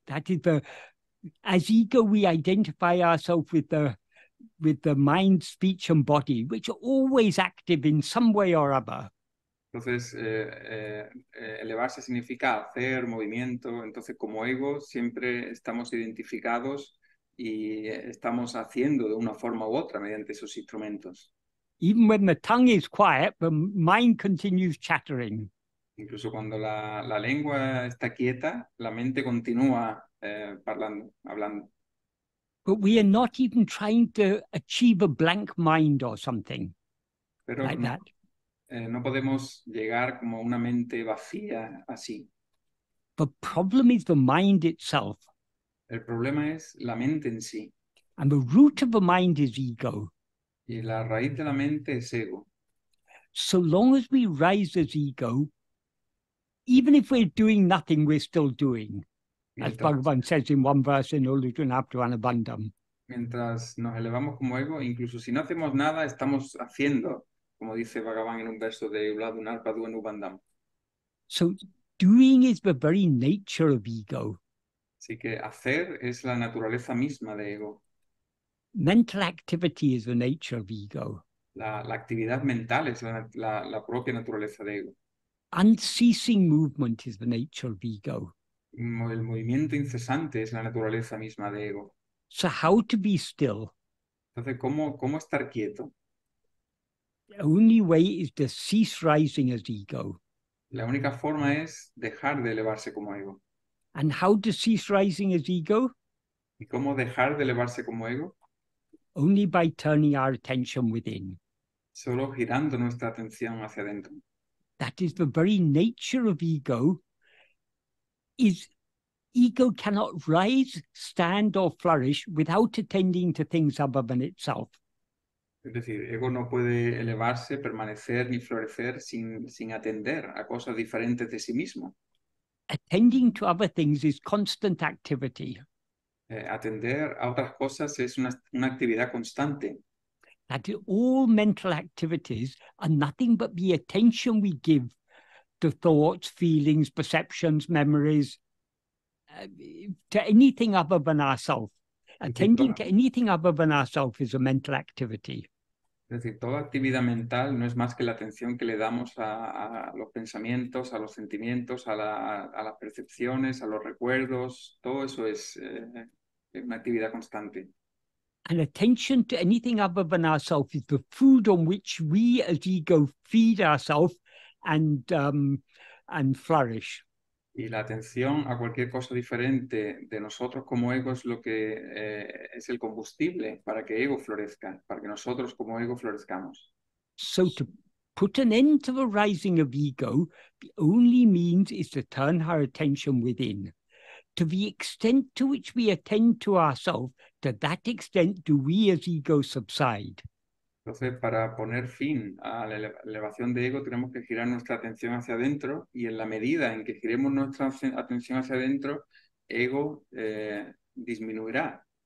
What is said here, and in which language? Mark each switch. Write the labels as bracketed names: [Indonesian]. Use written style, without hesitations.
[English] That is, as ego we identify ourselves with the mind, speech and body, which are always active in some way or other. [Spanish] Entonces, elevarse significa hacer movimiento. Entonces, como ego, siempre estamos identificados y estamos haciendo de una forma u otra mediante esos instrumentos. [English] Even when the tongue is quiet, the mind continues chattering. [Spanish] Incluso cuando la lengua está quieta, la mente continúa hablando. [English] But we are not even trying to achieve a blank mind or something. [Spanish] Pero [English] like no, that. [Spanish] No podemos llegar como una mente vacía así. [English] The problem is the mind itself. [Spanish] El problema es la mente en sí. [English] And the root of the mind is ego. [Spanish] Y la raíz de la mente es ego. [English] So long as we rise as ego, even if we're doing nothing, we're still doing. As Bhagavan says in one verse in Ulujunaptuanabandham. [Spanish] Mientras nos elevamos como ego, incluso si no hacemos nada, estamos haciendo, como dice Bhagavan en un verso de Ulujunaptuanabandham. [English] So doing is the very nature of ego. [Spanish] Así que hacer es la naturaleza misma de ego. [English] Mental activity is the nature of ego. [Spanish] La actividad mental es la propia naturaleza de ego. [English] Unceasing movement is the nature of ego. [Spanish] El movimiento incesante es la naturaleza misma de ego. [English] So how to be still? [Spanish] Entonces, ¿cómo estar quieto? [English] The only way is to cease rising as ego. [Spanish] La única forma es dejar de elevarse como ego. [English] And how to cease rising as ego? [Spanish] ¿Y cómo dejar de elevarse como ego? [English] Only by turning our attention within. [Spanish] Solo girando nuestra atención hacia adentro. [English] That is the very nature of ego. Is ego cannot rise, stand or flourish without attending to things other than itself. [Spanish] Es decir, ego no puede elevarse, permanecer ni florecer sin atender a cosas diferentes de sí mismo. [English] Attending to other things is constant activity. [Spanish] Atender a otras cosas es una actividad constante. [English] That all mental activities are nothing but the attention we give to thoughts, feelings, perceptions, memories, to anything other than ourselves. Attending to anything other than ourselves is a mental activity. [Spanish] Es decir, toda actividad mental no es más que la atención que le damos a los pensamientos, a los sentimientos, a las percepciones, a los recuerdos. Todo eso es una actividad constante. [English] And attention to anything other than ourselves is the food on which we as ego feed ourselves and flourish. [Spanish] Y la atención a cualquier cosa diferente de nosotros como ego es lo que es el combustible para que ego florezca, para que nosotros como ego florezcamos. [English] So to put an end to the rising of ego, the only means is to turn our attention within. To the extent to which we attend to ourselves, to that extent do we as ego subside. [Spanish] Entonces, para poner fin a la elevación de ego, tenemos que girar nuestra atención hacia adentro, y en la medida en que giremos nuestra atención hacia adentro, ego disminuirá.